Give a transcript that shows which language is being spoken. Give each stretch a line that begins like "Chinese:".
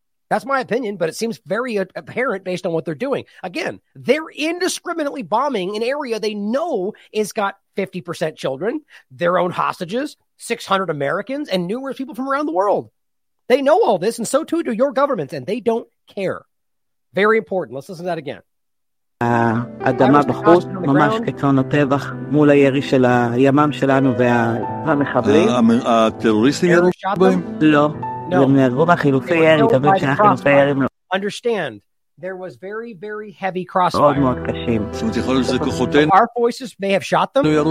English: That's my opinion, but it seems very apparent based on what they're doing. Again, they're indiscriminately bombing an area they know is got 50% children, their own hostages, 600 Americans, and numerous people from around the world. They know all this, and so too do your governments, and they don't care. Very important. Let's listen to that again.
Hebrew: אדמה בחוץ, ממש כצאן הטבח, מול הירי של הימ"מ שלנו והמחבלים. הטרוריסטים ירו שם? לא.
English: Understand, there was very, very heavy crossfire. Our voices may have shot them.